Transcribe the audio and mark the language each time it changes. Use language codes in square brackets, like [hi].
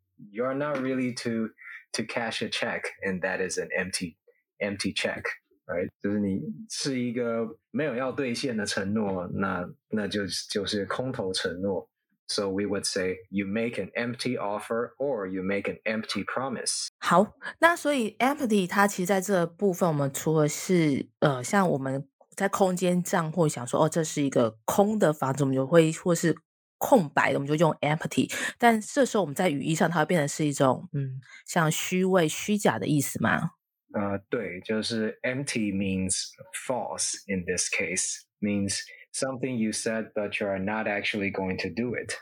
[en] You are not really to cash a check, and that is an empty check, right? [zh] 就是你是一个没有要兑现的承诺，那就是空头承诺。 [en] So we would say you make an empty offer or you make an empty promise. [zh] 好，那所以 empty 它其实在这部分，我们除了是像我们在空间上会想说哦，这是一个空的房子，我们就会或是空白的，我们就用 empty。但这时候我们在语义上，它会变成是一种像虚伪、虚假的意思吗？对，就是 [en] empty means false in this case means. Something you said, but you are not actually going to do it.